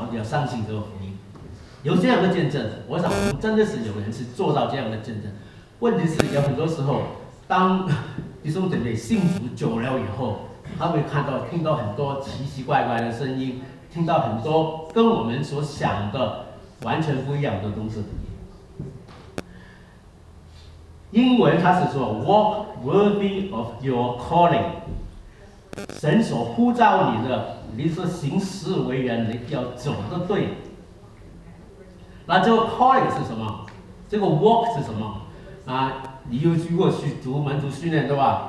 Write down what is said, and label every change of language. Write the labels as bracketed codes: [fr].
[zh] 我们要相信这个福音，有这样的见证，我想我们真的是有人是做到这样的见证。问题是，有很多时候，当弟兄姐妹信主久了以后，他会看到、听到很多奇奇怪怪的声音，听到很多跟我们所想的完全不一样的东西。英文他是说 ， [en] Walk worthy of your calling。 [zh] 神所呼召你的，你是行事为人，你要走得对。那这个 calling 是什么？这个 walk 是什么？啊，你又如果去读门徒训练，对吧？